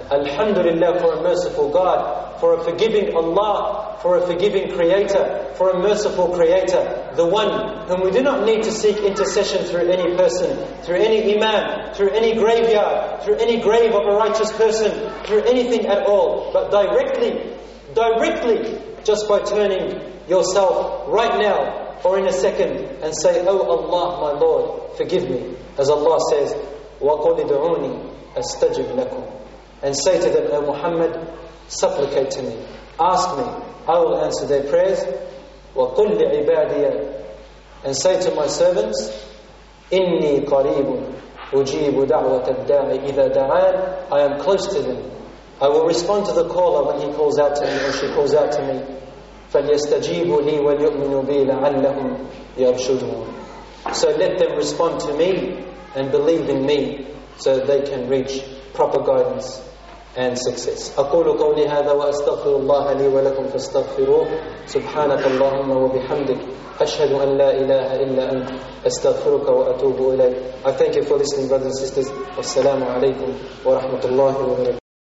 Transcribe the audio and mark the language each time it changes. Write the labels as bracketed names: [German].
[English] Alhamdulillah for a merciful God, for a forgiving Allah, for a forgiving Creator, for a merciful Creator, the one whom we do not need to seek intercession through any person, through any imam, through any graveyard, through any grave of a righteous person, through anything at all, but directly, just by turning yourself right now or in a second and say, Oh Allah, my Lord, forgive me. As Allah says, [Arabic] وَقُلِ دُعُونِي أَسْتَجِبْ لَكُمْ. [English] And say to them, O Muhammad, supplicate to me, ask me, I will answer their prayers. [Arabic] وَقُلْ لِعِبَادِيَ. [English] And say to my servants, [Arabic] إِنِّي قَرِيبٌ أُجِيبُ دَعْوَةَ الدَّاعِ إِذَا دَعَانِ. [English] I am close to them. I will respond to the caller when he calls out to me or she calls out to me. [Arabic] فَلْيَسْتَجِيبُ لِي وَلْيُؤْمِنُوا بِي لَعَلَّهُمْ يَرْشُدُونَ. [English] So let them respond to me and believe in me so that they can reach proper guidance and success. [Arabic] أقول قولي هذا وأستغفر الله لي ولكم فاستغفروه. سبحانك اللهم وبحمدك أشهد أن لا إله إلا أنت أستغفرك وأتوب إليك. [English] I thank you for listening, brothers and sisters. [Arabic] والسلام عليكم ورحمة الله وبركاته.